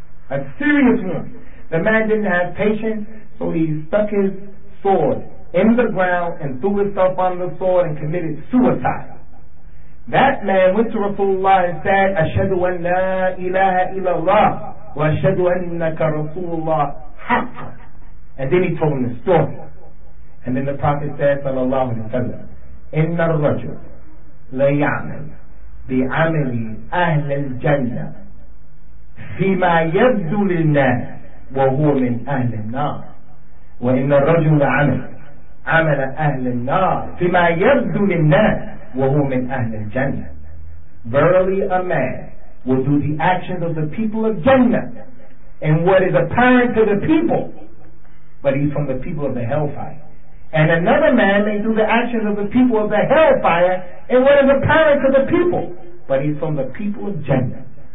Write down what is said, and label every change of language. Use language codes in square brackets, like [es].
[en] A serious wound. The man didn't have patience, so he stuck his sword in the ground and threw himself on the sword and committed suicide. That man went to Rasulullah and said, Ashhadu an la ilaha illallah. [ar] وَأَشْهَدُ أَنَّكَ رَسُولُ اللَّهِ حَقًّا. [en] And then he told him the story. And then the Prophet said, [ar] صلى الله عليه وسلم, إِنَّ الرَّجُلَ لَيَعْمَلْ بِعَمَلِ أَهْلِ الْجَنَّةِ فِيمَا يَبْدُو لِلنَّاسِ وَهُوَ مِنْ أَهْلِ النَّارِ وَإِنَّ الرَّجُلَ عَمَلَ أَهْلِ النَّارِ فِيمَا يَبْدُو لِلنَّاسِ وَهُوَ مِنْ أَهْلِ الْجَنَّةِ. [en] Verily a man will do the actions of the people of Jannah and what is apparent to the people, but he's from the people of the hellfire. And another man may do the actions of the people of the hellfire and what is apparent to the people, but he's from the people of Jannah.